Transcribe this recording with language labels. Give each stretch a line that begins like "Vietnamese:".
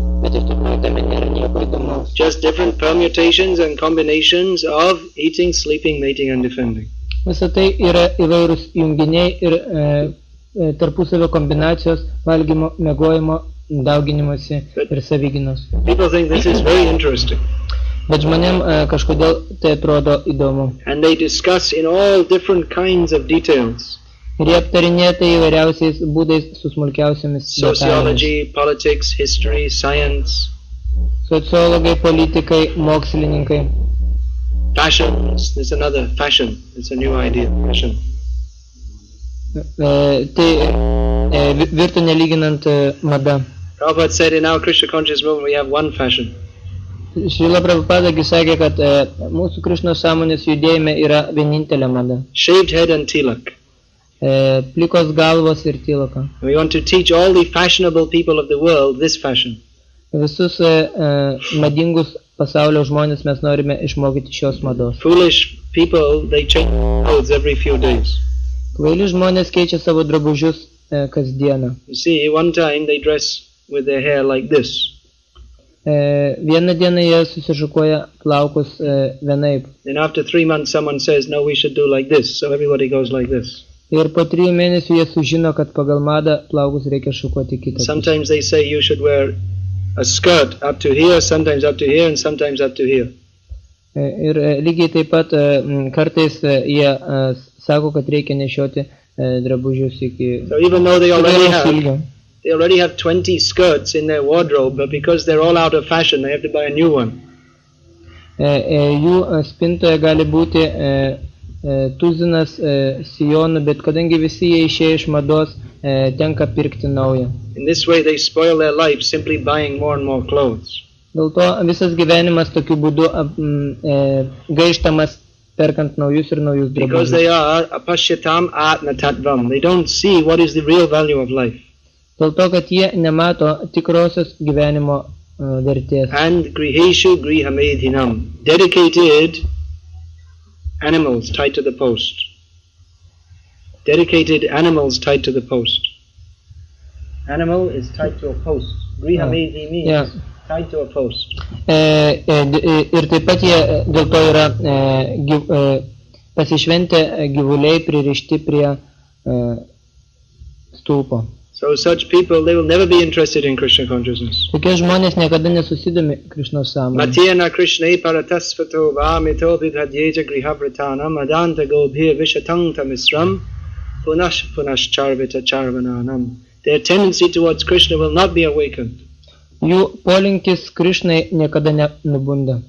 Lithuanian: Bet iš tikrųjų tame nėra nieko įdomaus.
English: Just different permutations and combinations of eating, sleeping, mating and defending.
Lithuanian: Visa tai yra įvairūs junginiai ir tarpusavio kombinacijos valgymo, mėgojimo, dauginimosi ir savyginos.
English: People think this is very interesting.
Lithuanian: Bet žmonėm kažkodėl tai atrodo įdomu.
English: And they discuss in all different kinds of details.
Lithuanian: Ir jie aptarinėja tai įvairiausiais būdais su smulkiausiamis detalėmis.
English: Sociology, politics, history, science.
Lithuanian: Sociologai, politikai, mokslininkai.
English: Fashions, there's another fashion. It's a new idea, fashion.
Lithuanian: Tai virto nelyginant mada.
English: Prabhupada said in our Krishna conscious movement we have one fashion.
Lithuanian: Srila Prabhupada sakė, kad mūsų Krishna sąmonės judėjime yra vienintelė mada.
English: Shaved head and tilak.
Lithuanian: Plikos galvos ir tilaka.
English: We want to teach all the fashionable people of the world this fashion.
Lithuanian: Visus madingus pasaulio žmonės mes norime išmokyti šios mados.
English: Foolish people, they change clothes every few days.
Lithuanian: Kvaili žmonės keičia savo drabužius kasdieną.
English: You see, one time they dress with their hair like this.
Lithuanian: Vieną dieną jie susižukuoja plaukus vienaip.
English: Then after 3 months someone says, no, we should do like this, so everybody goes like this.
Lithuanian: Ir po 3 mėnesių jie sužino, kad pagal madą plaukus reikia šukuoti kitą.
English: Sometimes they say you should wear a skirt up to here, sometimes up to here and sometimes up to here.
Lithuanian: Ir lygiai taip pat kartais jie sako, kad reikia nešioti drabužius iki.
English: So even though they already have 20 skirts in their wardrobe, but because they're all out of fashion, they have to buy a new one.
Lithuanian: Jų spintoje gali būti tuzinas sijonų, bet kadangi visi jie išėjo iš mados, tenka pirkti naują.
English: In this way they spoil their life simply buying more and more clothes.
Lithuanian: Dėl to visas gyvenimas tokiu būdu gaištamas
English: Because they are
Sanskrit: apashyatam atma tattvam.
English: They don't see what is the real value of life.
Lithuanian: Dėl to, kad jie nemato tikrosios gyvenimo vertės.
English: And
Sanskrit: grihesu grihamedhinam.
English: Dedicated animals tied to the post. Dedicated animals tied to the post. Animal is tied to a post. Grihamedhi means... Yeah. Tied to a post.
Lithuanian: Ir taip pat jie dėl to yra pasišventę gyvuliai pririšti prie stulpo.
English: So such people, they will never be interested in Krishna consciousness.
Lithuanian: Tokie žmonės niekada nesusidomi Krishnos sąmone.
Sanskrit: Matiena Krishna paratasvato vāmito vidhadyeja grihavritānam adanta gobhya vishatanta misram punash punash charvita charvanānam.
English: Their tendency towards Krishna will not be awakened.
Lithuanian: Jų polinkis Krishnai niekada nebunda.